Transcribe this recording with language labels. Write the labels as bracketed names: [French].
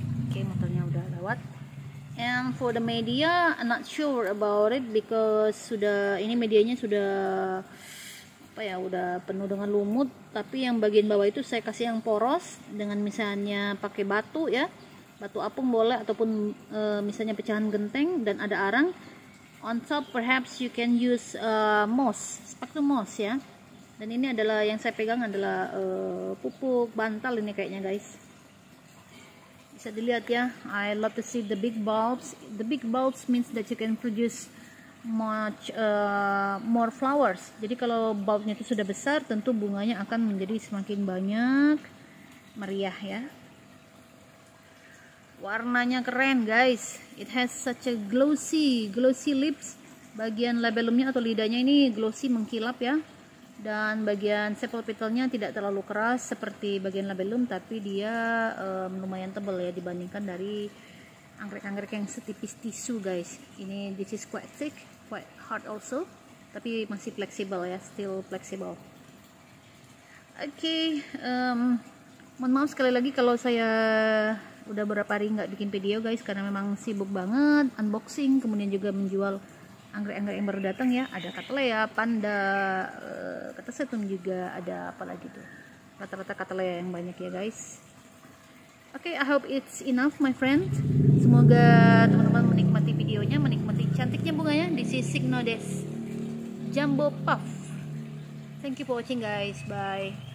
[Indonesian] Oke, motornya udah lewat. [English] And for the media, I'm not sure about it [Indonesian] because sudah, ini medianya sudah apa ya, udah penuh dengan lumut. Tapi yang bagian bawah itu saya kasih yang poros dengan misalnya pakai batu ya, batu apung boleh ataupun misalnya pecahan genteng dan ada arang. [English] On top, perhaps you can use moss, spectrum moss ya. [Indonesian] Dan ini adalah yang saya pegang adalah pupuk bantal ini kayaknya guys. Bisa dilihat ya, [English] I love to see the big bulbs. The big bulbs means that you can produce much more flowers. [Indonesian] Jadi kalau bulbnya itu sudah besar, tentu bunganya akan menjadi semakin banyak, meriah ya. Warnanya keren guys. [English] It has such a glossy lips. [Indonesian] Bagian labelumnya atau lidahnya ini glossy mengkilap ya. Dan bagian sepal petalnya tidak terlalu keras seperti bagian labellum, tapi dia lumayan tebal ya dibandingkan dari anggrek-anggrek yang setipis tisu guys. [English] Ini this is quite thick, quite hard also, [Indonesian] tapi masih fleksibel ya, [English] still flexible. [Indonesian] Okay, mohon maaf sekali lagi kalau saya udah berapa hari nggak bikin video guys, karena memang sibuk banget unboxing, kemudian juga menjual anggrek-anggrek yang baru datang ya, ada Cattleya, panda, kata setum juga, ada apa lagi tuh, rata-rata Cattleya yang banyak ya guys. [English] Okay, I hope it's enough my friend. [Indonesian] Semoga teman-teman menikmati videonya, menikmati cantiknya bunganya. [English] This is Signodes Jumbo Puff. Thank you for watching guys, bye.